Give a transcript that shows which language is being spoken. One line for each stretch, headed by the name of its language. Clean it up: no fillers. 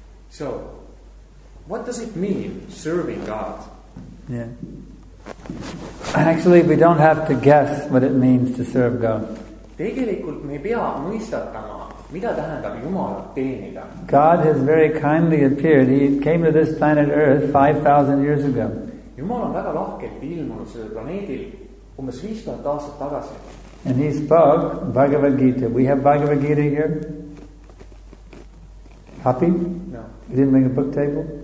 English: So, what does it mean, serving God? Yeah. Actually, we don't have to guess what it means to serve God.
Estonian: Tegelikult me ei pea mõistatama, mida tähendab Jumala teenida.
English: God has very kindly appeared. He came to this planet Earth 5,000 years ago.
Estonian: Jumal on väga lahkelt ilmunud sellel planeedil umbes 5,000 aastat tagasi.
English: And he spoke Bhagavad Gita. We have Bhagavad Gita here. Happy? No. You didn't make a book table?